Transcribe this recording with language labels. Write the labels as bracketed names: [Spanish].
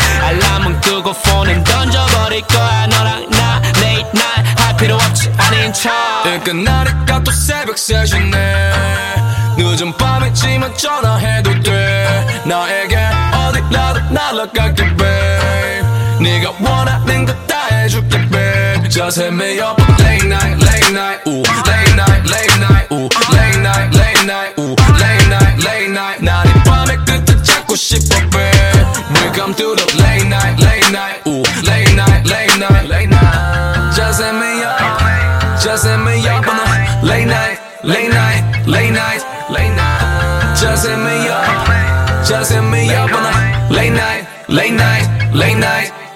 [Korean] 알람은 끄고 폰은 던져버릴 거야. 너랑 나 [English] late night [Korean] 할 필요 없지 아닌 척. 일 끝나니까 또 새벽 3시네. 늦은 밤이지만 전화해도 돼. 나에게 어디라도 날아갈게 babe. 네가 원하는 거 다 해줄게 babe. [English] Just hit me up late night, late night, ooh. Late night, late night, ooh. Late night, late night, ooh. Late night, late night. [Korean] 난 이 밤의 끝을 찾고 싶어 babe. [English] Welcome to the late night, late night, ooh. Late night, late night, late night. Just hit me up, just hit me up on the late night, late night, late night, late night. Just hit me up, just hit me up on the late night, late night, late night.